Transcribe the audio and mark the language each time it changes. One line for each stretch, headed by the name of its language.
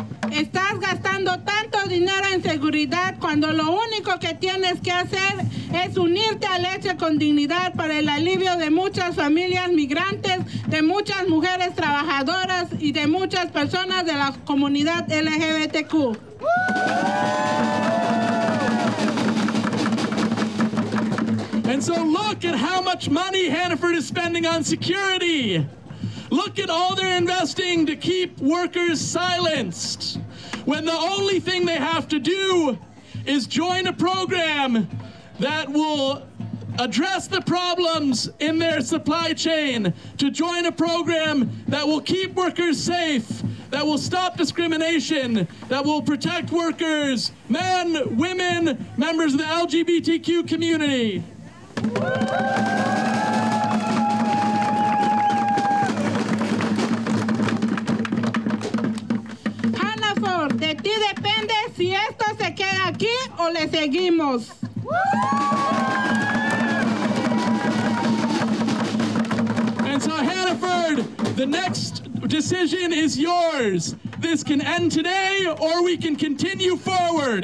Spanish: Estás gastando tanto dinero en seguridad cuando lo único que tienes que hacer es unirte a Leche con Dignidad para el alivio de muchas familias migrantes, de muchas mujeres trabajadoras y de muchas personas de la comunidad LGBTQ.
English: And so look at how much money Hannaford is spending on security. Look at all they're investing to keep workers silenced, when the only thing they have to do is join a program that will address the problems in their supply chain, to join a program that will keep workers safe, that will stop discrimination, that will protect workers, men, women, members of the LGBTQ community.
Spanish: Hannaford, de ti depende si esto se queda aquí o le seguimos.
English: And so Hannaford, the next decision is yours. This can end today or we can continue forward.